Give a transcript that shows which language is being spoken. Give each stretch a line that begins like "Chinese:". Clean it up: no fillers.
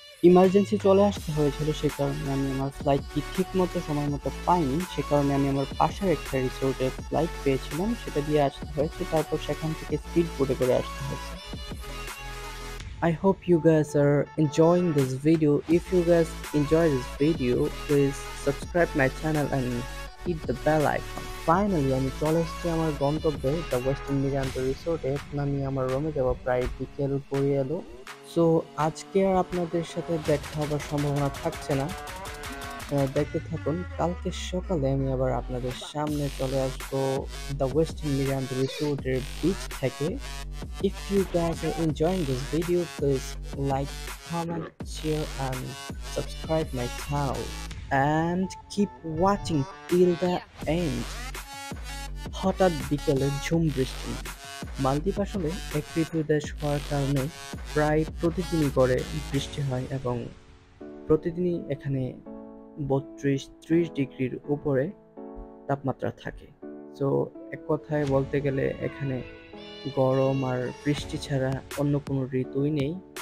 Bangla: Emergency চলে আসতে হয়েছিল, সে কারণে আমি আমার ফ্লাইটটি ঠিক মতো সময় মতো পাইনি। সে কারণে আমি আমার পাশের একটা রিসোর্টে ফ্লাইট পেয়েছিলাম, সেটা দিয়ে আসতে হয়েছে। তারপর সেখান থেকে স্পিড বোটে করে আসতে হয়েছে।
English: I hope you guys are enjoying this video. If you guys enjoy this video, please subscribe my channel and hit the bell icon.
Bangla: Finally, আমি চলে এসেছি আমার গন্তব্যে, দ্য ওয়েস্টার্ন মিরান্ত রিসোর্টে। আমি আমার রুমে যাবো, প্রায় বিকেল পড়ে এলো। সো আজকে আর আপনাদের সাথে দেখা হবার সম্ভাবনা থাকছে না, দেখতে থাকুন। কালকে সকালে আমি আবার আপনাদের সামনে চলে আসবো দ্য ওয়েস্টার্ন মিরান্ত রিসোর্টের বিচ থেকে।
English: If you guys are enjoying this video, please like, comment, share and subscribe my channel and keep watching till the end.
Bangla: হঠাৎ বিকেলে ঝুম বৃষ্টি। মালদ্বীপ আসলে এক ঋতু দেশ হওয়ার কারণে প্রায় প্রতিদিনই গড়ে বৃষ্টি হয় এবং প্রতিদিনই এখানে 32-30 ডিগ্রির উপরে তাপমাত্রা থাকে। সো এক কথায় বলতে গেলে এখানে গরম আর বৃষ্টি ছাড়া অন্য কোনো ঋতুই নেই।